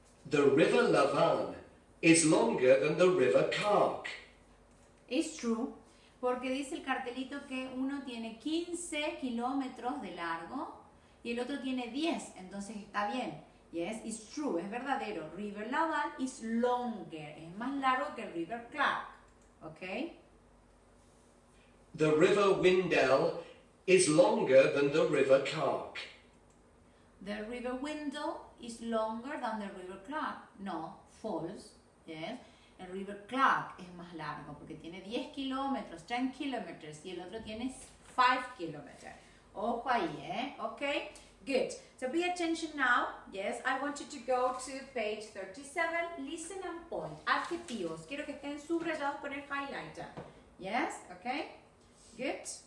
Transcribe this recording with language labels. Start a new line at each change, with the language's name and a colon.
English: The River Lavan is longer than the River Kark. It's true.
Spanish: Porque dice el cartelito que uno tiene 15 kilómetros de largo y el otro tiene 10. Entonces está bien.
English: Yes, it's true,
Spanish: es verdadero.
English: River Lavan is longer,
Spanish: es más largo que River Clark.
English: Okay? The River Windell is longer than the River Clark. The River Windell is longer than the River Clark. No, false.
Spanish: Yes, el River Clark es más largo porque tiene 10 kilómetros, 10 kilómetros, y el otro tiene 5 kilómetros. Ojo ahí, eh?
English: Okay? Good. So pay attention now. Yes, I want you to go to page 37. Listen and point.
Spanish: Adjetivos. Quiero que estén subrayados con el highlighter.
English: Yes? Okay? Good.